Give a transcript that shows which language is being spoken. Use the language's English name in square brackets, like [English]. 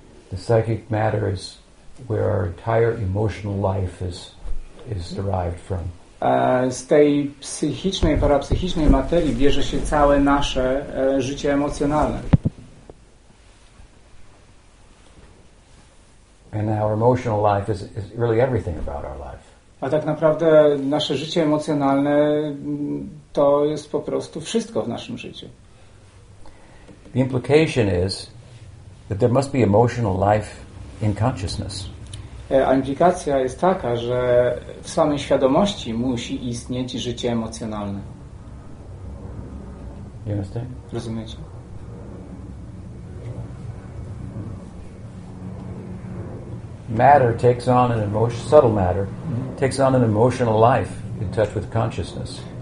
[English] The psychic matter is where our entire emotional life is derived from. [Polish] Z tej psychicznej, parapsychicznej materii bierze się całe nasze życie emocjonalne. [English] And our emotional life is really everything about our life. [Polish] A tak naprawdę nasze życie emocjonalne to jest po prostu wszystko w naszym życiu. [English] The implication is that there must be emotional life in consciousness. [Polish] A implikacja jest taka, że w samej świadomości musi istnieć życie emocjonalne. [English] You understand? [Polish] Rozumiecie? [English] Matter takes on an emotion, subtle matter, takes on an emotional life in touch with consciousness.